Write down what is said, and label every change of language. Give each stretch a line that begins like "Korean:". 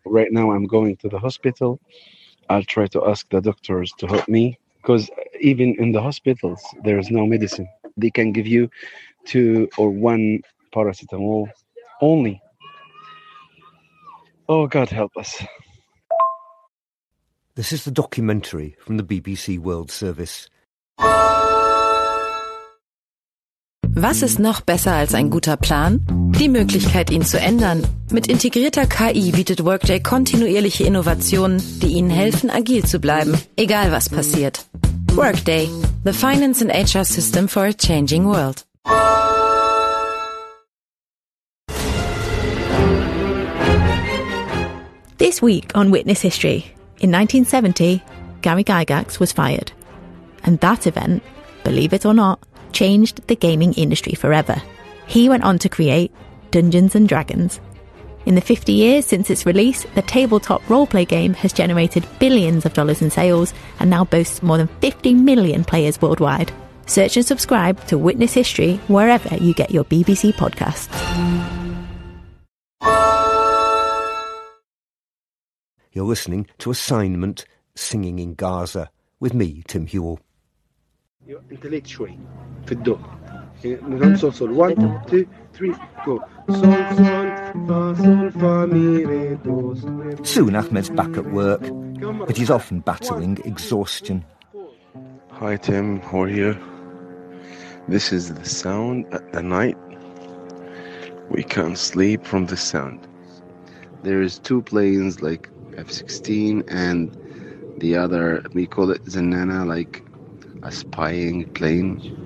English: Right now I'm going to the hospital. I'll try to ask the doctors to help me because even in the hospitals, there is no medicine. They can give you 2 or 1 paracetamol only. Oh, God, help us. This is the documentary from the BBC World Service.
German: Was ist noch besser als ein guter Plan? Die Möglichkeit, ihn zu ändern. Mit integrierter KI bietet Workday kontinuierliche Innovationen, die Ihnen helfen, agil zu bleiben, egal was passiert.
English: Workday, the finance and HR system for a changing world. This week on Witness History, in 1970, Gary Gygax was fired. And that event, believe it or not, changed the gaming industry forever. He went on to create Dungeons & Dragons. In the 50 years since its release, the tabletop roleplay game has generated billions of dollars in sales and now boasts more than 50 million players worldwide. Search and subscribe to Witness History wherever you get your BBC podcasts. You're listening to Assignment, Singing in Gaza, with me, Tim Huell.
Arabic: انت ليت شوي في الدو نغني صول صول
English: 1 2 3 go
Arabic: صول صول فا صول فا مي ري دو.
English: Soon Ahmed's back at work, but he's often battling exhaustion. Hi Tim, how are you? This is the sound at the night. We can't sleep from the sound. There is two planes like F-16 and the other, we call it Zenana, like a spying plane.